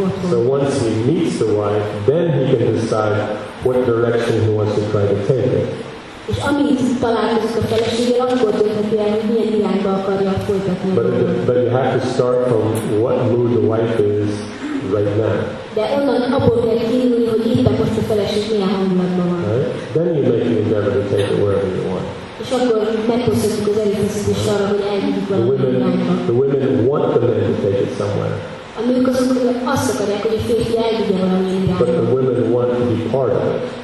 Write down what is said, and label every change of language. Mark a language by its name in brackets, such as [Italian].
[English] So once he meets the wife, then he can decide what direction he wants to try to take it. [Hungarian] És amit találkozik a feleséggel, akkor dönthetjük el, hogy milyen irányba akarja folytatni. [English] But you have to start from what mood the wife is right now. [Hungarian] De onnan abból kell kiindulni, hogy éppen most a feleség milyen hangulatban van. [English] Right? Then you make the endeavor to take it wherever you want. [Hungarian] És akkor megpróbáljuk az erőfeszítést arra, hogy elvigyük valami irányba. [English] The women want the men to take it somewhere. [Hungarian] A nők azt akarják, hogy a férfi elvigye valami irányba. [English] But the women want to be part of it.